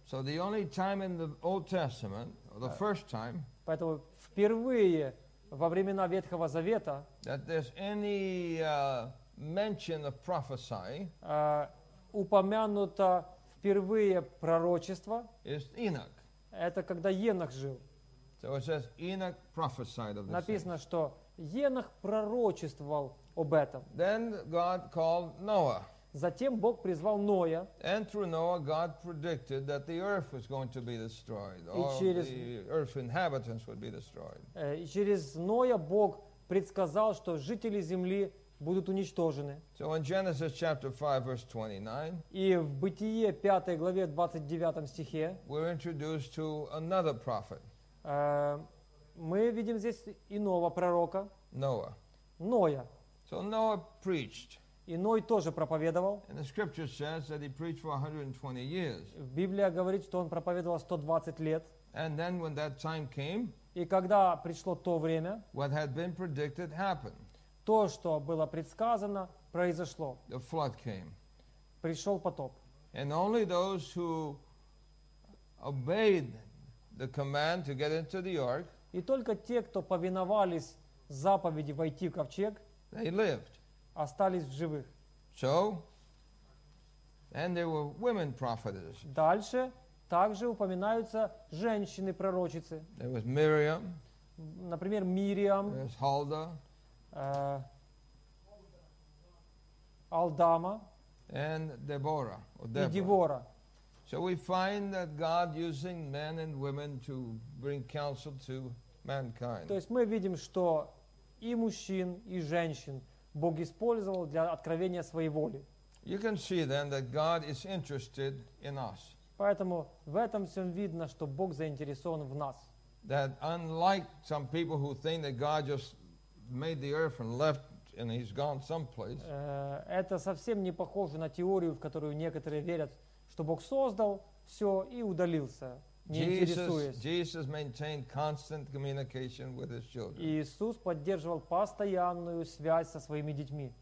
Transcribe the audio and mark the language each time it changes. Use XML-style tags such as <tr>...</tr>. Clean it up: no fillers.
<en>So the only time in the Old Testament, or the first time,</en> <ru>поэтому впервые во времена Ветхого Завета,</ru> <en>that there's any mention of prophecy,</en> <ru>упомянуто впервые пророчество,</ru> <en>is Enoch.</en> <ru>Это когда Енох жил.</ru> <en>So it says Enoch prophesied of this.</en> <ru>Написано, что Енох пророчествовал об этом.</ru> <en>Then God called Noah.</en> <ru>Затем Бог призвал Ноя.</ru> <en>And through Noah, God predicted that the earth was going to be destroyed. All the earth inhabitants would be destroyed.</en> <ru>И через Ноя Бог предсказал, что жители земли будут уничтожены.</ru> <en>So in Genesis chapter 5, verse 29,</en> <ru>и в Бытие 5 главе 29 стихе</ru> <en>we're introduced to another prophet.</en> <ru>Мы видим здесь иного пророка.</ru> <en>Noah.</en> <ru>Ноя.</ru> <en>So Noah preached.</en> <ru>И Ной тоже проповедовал.</ru> <en>And the scripture says that he preached for 120 years.</en> <ru>Библия говорит, что он проповедовал 120 лет.</ru> <en>And then when that time came,</en> <ru>и когда пришло то время,</ru> <en>what had been predicted happened.</en> <ru>То, что было предсказано, произошло.</ru> <en>The flood came.</en> <ru>Пришел потоп.</ru> <en>And only those who obeyed the command to get into the ark,</en> <ru>и только те, кто повиновались заповеди войти в ковчег,</ru> <en>they lived.</en> <ru>Остались в живых.</ru> <en>So, and there were women prophetesses.</en> <ru>Дальше также упоминаются женщины-пророчицы.</ru> <en>There was Miriam.</en> <ru>Например, Мириам.</ru> <en>There was Huldah.</en> <ru>Алдама.</ru> <en>And Deborah. Or Deborah.</en> <ru>И Девора.</ru> <en>So we find that God using men and women to bring counsel to mankind.</en> <ru>То есть мы видим, что и мужчин, и женщин Бог использовал для откровения своей воли.</ru> <en>You can see then that God is interested in us.</en> <ru>Поэтому в этом всем видно, что Бог заинтересован в нас.</ru> <en>That unlike some people who think that God just made the earth and left and he's gone someplace.</en> <ru>Это совсем не похоже на теорию, в которую некоторые верят, что Бог создал все и удалился.</ru> <en>Jesus maintained constant communication with his children.</en> <ru>Иисус поддерживал постоянную связь со своими детьми.</ru>